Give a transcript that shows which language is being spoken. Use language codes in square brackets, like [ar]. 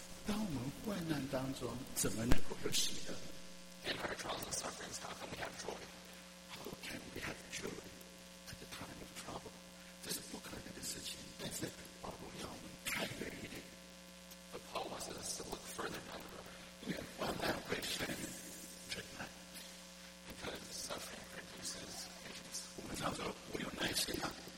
[zh] 当我们患难当中，怎么能够有喜乐？ [en] In our trials and sufferings, how can we have joy? How can we have joy at the time of trouble? [zh] 这是不可能的事情，但是保罗要我们看远一点。 [en] But Paul wants us to look further down the road. [zh] 我们要患难为神忍耐。 [en] Because suffering produces patience. [zh] 我们常说我有耐心啊。